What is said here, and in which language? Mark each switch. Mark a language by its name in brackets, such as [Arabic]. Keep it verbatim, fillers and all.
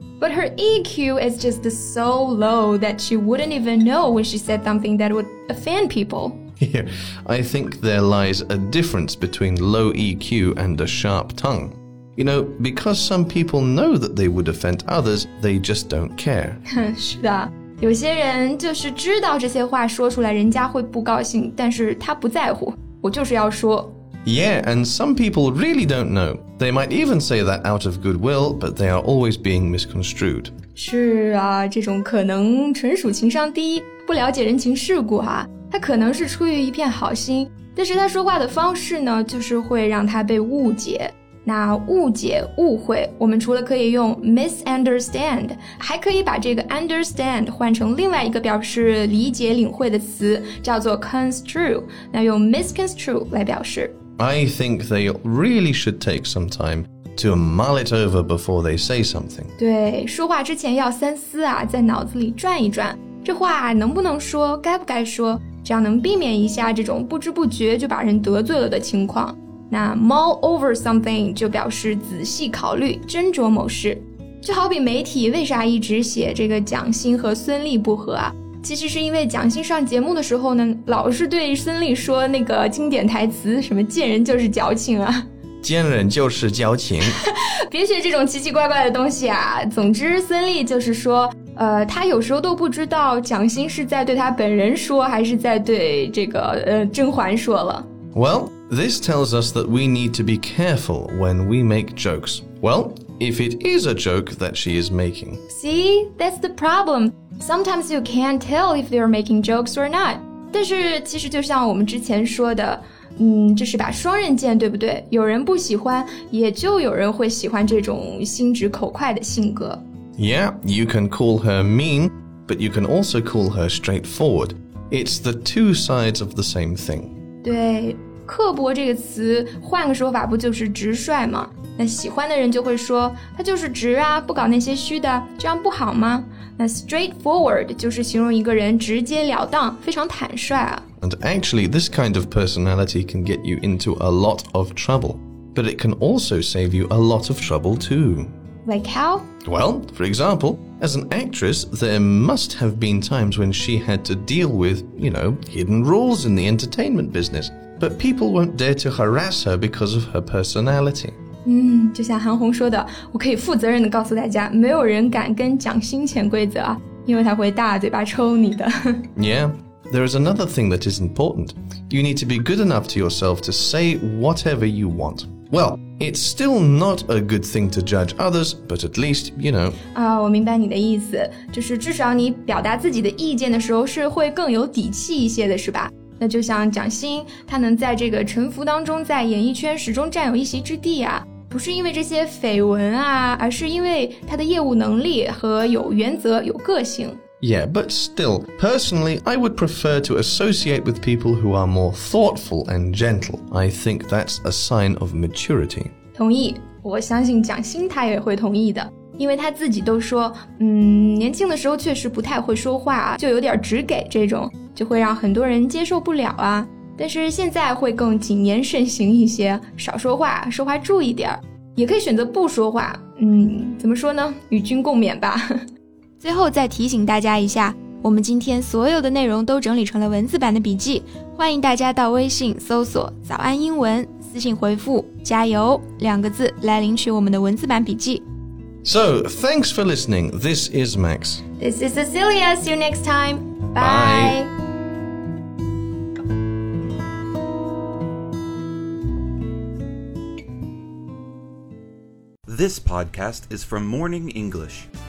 [English] But her E Q is just so low that she wouldn't even know when she said something that would offend people. Here, I think there lies a difference between low E Q and a sharp tongue. You know, because some people know that they would offend others, they just don't care. [Chinese] 是的。有些人就是知道这些话说出来人家会不高兴，但是他不在乎，我就是要说。 [English] Yeah, and some people really don't know. They might even say that out of goodwill, but they are always being misconstrued. [Chinese] 是啊，这种可能纯属情商低，不了解人情世故啊。他可能是出于一片好心，但是他说话的方式呢，就是会让他被误解。那误解、误会，我们除了可以用 misunderstand， 还可以把这个 understand 换成另外一个表示理解、领会的词，叫做 construe， 那用 misconstrue 来表示。 [English] I think they really should take some time to mull it over before they say something. [Chinese] 对，说话之前要三思啊，在脑子里转一转，这话能不能说，该不该说，这样能避免一下这种不知不觉就把人得罪了的情况。那 [English] mull over something [Chinese] 就表示仔细考虑，斟酌某事。就好比媒体为啥一直写这个蒋欣和孙俪不和啊？其实是因为蒋欣上节目的时候呢，老是对孙俪说那个经典台词，什么见人就是矫情啊，见人就是矫情别学这种奇奇怪怪的东西啊。总之孙俪就是说呃，他有时候都不知道蒋欣是在对他本人说还是在对这个呃甄嬛说了。 [English] Well, this tells us that we need to be careful when we make jokes. Well, if it is a joke that she is making. See, that's the problem. Sometimes you can't tell if they're making jokes or not. [Chinese] 但是其实就像我们之前说的，嗯，这是把双刃剑，对不对？有人不喜欢，也就有人会喜欢这种心直口快的性格。 [English] Yeah, you can call her mean, but you can also call her straightforward. It's the two sides of the same thing. [Chinese] 对，刻薄这个词换个说法不就是直率吗？那喜欢的人就会说，他就是直啊，不搞那些虚的，这样不好吗？那 straightforward 就是形容一个人直截了当，非常坦率啊。 [English] And actually, this kind of personality can get you into a lot of trouble, but it can also save you a lot of trouble too. Like how? Well, for example, as an actress, there must have been times when she had to deal with, you know, hidden rules in the entertainment business, but people won't dare to harass her because of her personality. [Chinese] 嗯，就像韩红说的，我可以负责任地告诉大家，没有人敢跟蒋欣潜规则啊，因为他会大嘴巴抽你的。 [English] Yeah, there is another thing that is important. You need to be good enough to yourself to say whatever you want. Well, it's still not a good thing to judge others, but at least, you know. [Chinese] 啊，我明白你的意思，就是至少你表达自己的意见的时候是会更有底气一些的，是吧？那就像蒋欣，她能在这个沉浮当中，在演艺圈始终占有一席之地啊。不是因为这些绯闻啊，而是因为他的业务能力和有原则、有个性。 [English] Yeah, but still, personally, I would prefer to associate with people who are more thoughtful and gentle. I think that's a sign of maturity. [Chinese] 同意，我相信蒋欣他也会同意的，因为他自己都说，嗯，年轻的时候确实不太会说话啊，就有点直给这种，就会让很多人接受不了啊。但是现在会更谨言慎行一些，少说话，说话注意点儿，也可以选择不说话。嗯，怎么说呢？与君共勉吧。最后再提醒大家一下，我们今天所有的内容都整理成了文字版的笔记，欢迎大家到微信搜索“早安英文”，私信回复“加油”两个字来领取我们的文字版笔记。 [English] So, thanks for listening. This is Max. This is Cecilia. See you next time. Bye. Bye. This podcast is from Morning English.